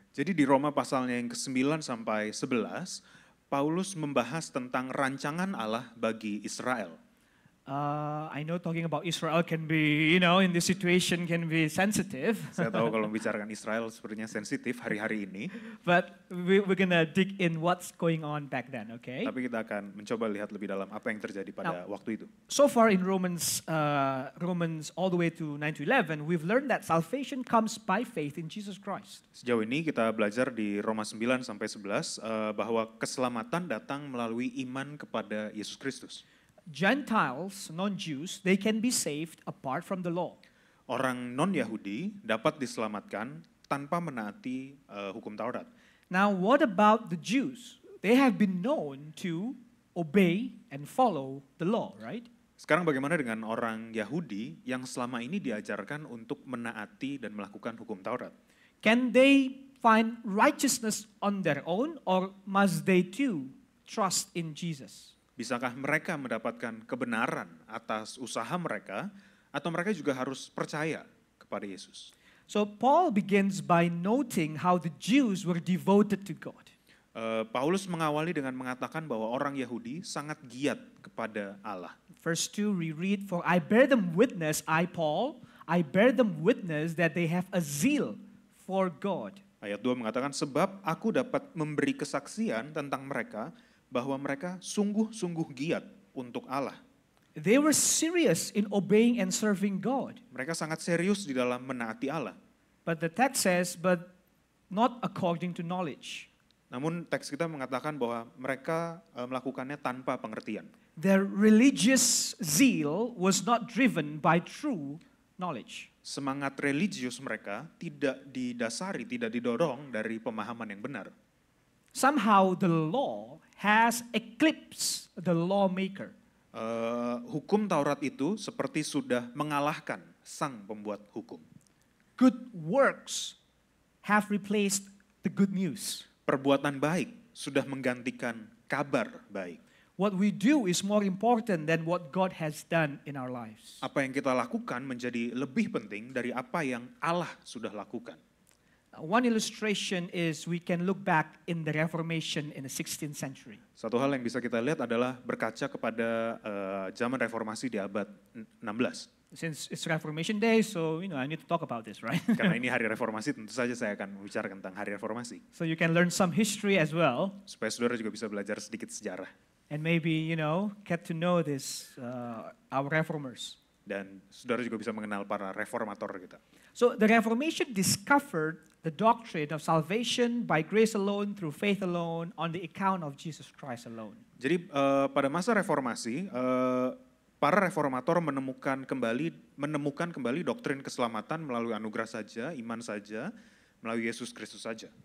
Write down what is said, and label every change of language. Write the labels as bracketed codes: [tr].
[id] Jadi di Roma pasalnya yang ke-9 sampai 11, Paulus membahas tentang rancangan Allah bagi Israel. [en] I know talking about Israel can be, you know, in this situation can be sensitive. [id] Saya tahu kalau membicarakan Israel sepertinya sensitif hari-hari ini. [en] But we're going to dig in what's going on back then, okay? [id] Tapi kita akan mencoba lihat lebih dalam apa yang terjadi pada now, waktu itu. [en] So far in Romans all the way to 9 to 11, we've learned that salvation comes by faith in Jesus Christ. [id] Sejauh ini kita belajar di Roma 9 sampai 11 bahwa keselamatan datang melalui iman kepada Yesus Kristus. [en] Gentiles, non-Jews, they can be saved apart from the law. [id] Orang non-Yahudi dapat diselamatkan tanpa menaati hukum Taurat. [en] Now, what about the Jews? They have been known to obey and follow the law, right? [id] Sekarang bagaimana dengan orang Yahudi yang selama ini diajarkan untuk menaati dan melakukan hukum Taurat? [en] Can they find righteousness on their own or must they too trust in Jesus? [id] Bisakah mereka mendapatkan kebenaran atas usaha mereka, atau mereka juga harus percaya kepada Yesus? [en] So Paul begins by noting how the Jews were devoted to God. [id] Paulus mengawali dengan mengatakan bahwa orang Yahudi sangat giat kepada Allah. [en] Verse 2 we read, "For I bear them witness, I Paul, I bear them witness that they have a zeal for God." [id] Ayat 2 mengatakan, "Sebab aku dapat memberi kesaksian tentang mereka bahwa mereka sungguh-sungguh giat untuk Allah." [en] They were serious in obeying and serving God. [id] Mereka sangat serius di dalam menaati Allah. [en] But the text says, but not according to knowledge. [id] Namun teks kita mengatakan bahwa mereka melakukannya tanpa pengertian. [en] Their religious zeal was not driven by true knowledge. [id] Semangat religius mereka tidak didasari, tidak didorong dari pemahaman yang benar. [en] Somehow the law has eclipsed the lawmaker. [id] Hukum Taurat itu seperti sudah mengalahkan sang pembuat hukum. [en] Good works have replaced the good news. [id] Perbuatan baik sudah menggantikan kabar baik. [en] What we do is more important than what God has done in our lives. [id] Apa yang kita lakukan menjadi lebih penting dari apa yang Allah sudah lakukan. [en] One illustration is we can look back in the Reformation in the 16th century. [id] Satu hal yang bisa kita lihat adalah berkaca kepada zaman Reformasi di abad 16. [en] Since it's Reformation Day, so you know I need to talk about this, right? [id] Karena ini hari Reformasi, tentu saja saya akan bicara tentang hari Reformasi. [en] So you can learn some history as well. [id] Supaya saudara juga bisa belajar sedikit sejarah. [en] And maybe you know get to know this our reformers. [id] Dan saudara juga bisa mengenal para reformator kita. [en] So the Reformation discovered the doctrine of salvation by grace alone through faith alone on the account of Jesus Christ alone. [id] Jadi pada masa Reformasi para reformator menemukan kembali doktrin keselamatan melalui anugerah saja, iman saja, melalui Yesus Kristus saja.